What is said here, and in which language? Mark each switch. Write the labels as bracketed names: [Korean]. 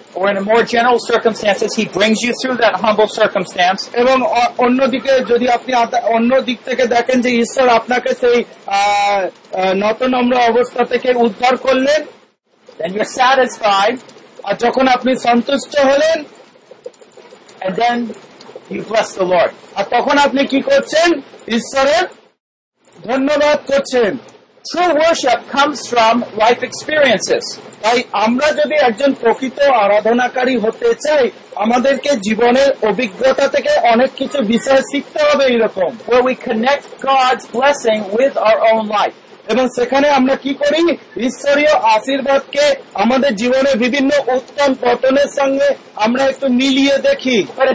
[English] When more general circumstances, he brings you through that humble circumstance. [Bangla] এবং অন্যদিকে যদি আপনি অন্য দিক থেকে দেখেন যে ঈশ্বর আপনাকে সেই নতনম্র অবস্থা থেকে উদ্ধার করলেন, [English] then you're satisfied. [Bangla] আর যখন আপনি সন্তুষ্ট হলেন, [English] and then you bless the Lord. [Bangla] আর তখন আপনি কি করছেন? ঈশ্বরের ধন্যবাদ করছেন। [English] True worship comes from life experiences. [Bangla] তাই আমরা যদি একজন প্রকৃত আরাধনাকারী হতে চাই আমাদেরকে জীবনের অভিজ্ঞতা থেকে অনেক কিছু বিষয় শিখতে হবে। এইরকম [English] we connect God's blessing with our own life. [Bangla] এবং সেখানে আমরা কি করি, ঈশ্বরীয় আশীর্বাদকে আমাদের জীবনের বিভিন্ন উত্থান পতনের সঙ্গে আমরা একটু মিলিয়ে দেখি।